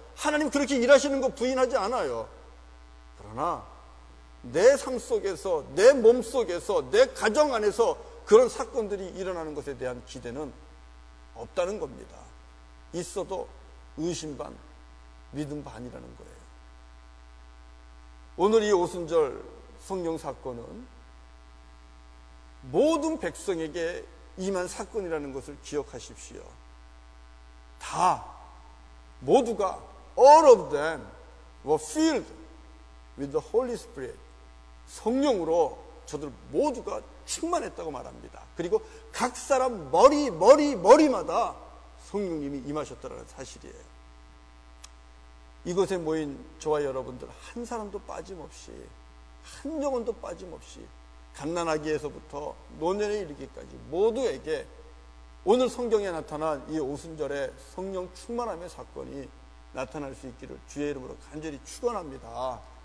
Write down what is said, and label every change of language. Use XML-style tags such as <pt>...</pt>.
<ko>하나님 그렇게 일하시는 거 부인하지 않아요. 그러나 내 삶 속에서, 내 몸 속에서, 내 가정 안에서 그런 사건들이 일어나는 것에 대한 기대는 없다는 겁니다. 있어도 의심 반, 믿음 반이라는 거예요. 오늘 이 오순절 성령 사건은 모든 백성에게 임한 사건이라는 것을 기억하십시오. 다, 모두가</ko> <en>all of them were filled with the Holy Spirit.</en> <ko>성령으로 저들 모두가 충만했다고 말합니다. 그리고 각 사람 머리마다 성령님이 임하셨다는 사실이에요. 이곳에 모인 저와 여러분들 한 사람도 빠짐없이, 한 영혼도 빠짐없이 갓난아기에서부터 노년에 이르기까지 모두에게 오늘 성경에 나타난 이 오순절의 성령 충만함의 사건이 나타날 수 있기를 주의 이름으로 간절히 축원합니다.</ko>